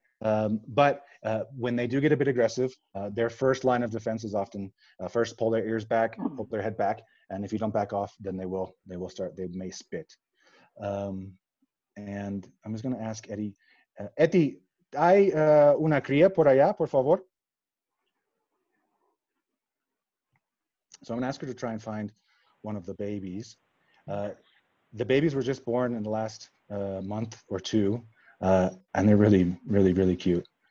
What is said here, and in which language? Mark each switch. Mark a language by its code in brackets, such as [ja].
[en] When they do get a bit aggressive, their first line of defense is often first pull their ears back, pull their head back. And if you don't back off, then they may spit. And I'm just going to ask Eddie. [es] Eddie, ¿hay una cría por allá, por favor? [en] So I'm going to ask her to try and find one of the babies. The babies were just born in the last month or two, and they're really, really, really cute.